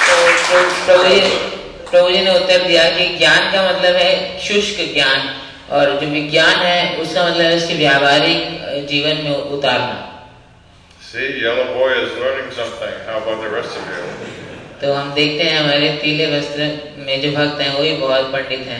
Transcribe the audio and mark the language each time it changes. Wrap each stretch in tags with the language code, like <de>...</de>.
<hi>प्रभुजी ने उत्तर दिया कि ज्ञान का मतलब है शुष्क ज्ञान, और जो विज्ञान है उसका मतलब है उसके व्यावहारिक जीवन में उतारना।</hi> <en>See, yellow boy is learning something. How about the rest of you?</en> <hi>तो हम देखते हैं हमारे पीले वस्त्र में जो भक्त हैं वो भी बहुत पंडित हैं।</hi>